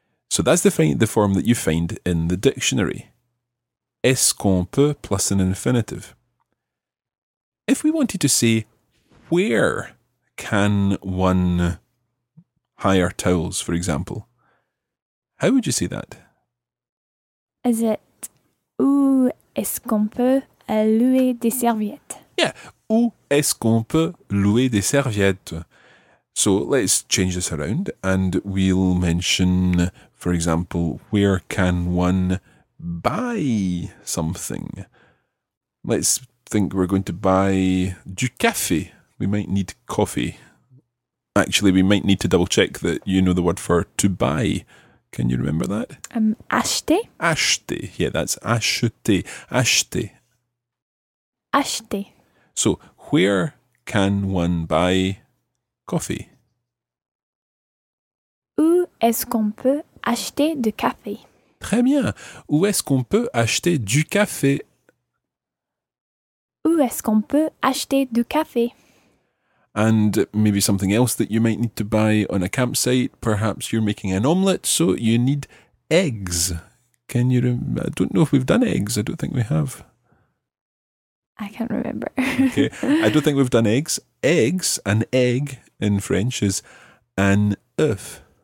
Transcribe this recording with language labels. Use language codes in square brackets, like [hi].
[en] So that's the form that you find in the dictionary. [fr] Est-ce qu'on peut [en] plus an infinitive. If we wanted to say, where can one hire towels, for example, how would you say that? Is it, [fr] où est-ce qu'on peut louer des serviettes? Yeah, où est-ce qu'on peut louer des serviettes? [en] So let's change this around and we'll mention, for example, where can one buy something? Let's think we're going to buy [fr] du café. [en] We might need coffee. Actually, we might need to double check that you know the word for to buy. Can you remember that? [fr] Acheter. Acheter. [en] Yeah, that's [fr] acheter. Acheter. Acheter. [en] So, where can one buy coffee? [fr] Où est-ce qu'on peut acheter du café? Très bien. Où est-ce qu'on peut acheter du café? Où est-ce qu'on peut acheter du café? [en] And maybe something else that you might need to buy on a campsite. Perhaps you're making an omelette, so you need eggs. Can you? I don't know if we've done eggs. I don't think we have. I can't remember. Okay. I don't think we've done eggs. Eggs, an egg in French is an œuf.